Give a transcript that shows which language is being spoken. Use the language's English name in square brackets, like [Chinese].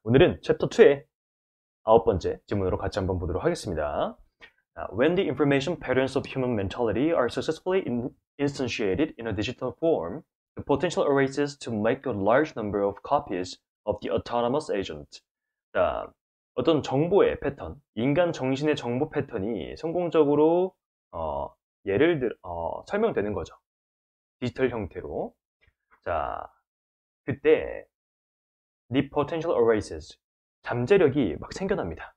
[Korean] 오늘은 챕터 2의 아홉 번째 질문으로 같이 한번 보도록 하겠습니다. [English] When the information patterns of human mentality are successfully instantiated in a digital form, the potential arises to make a large number of copies of the autonomous agent. [Korean] 자, 어떤 정보의 패턴, 인간 정신의 정보 패턴이 성공적으로 설명되는 거죠. 디지털 형태로. 자, 그때 [English] The potential arises. [Korean] 잠재력이 막 생겨납니다.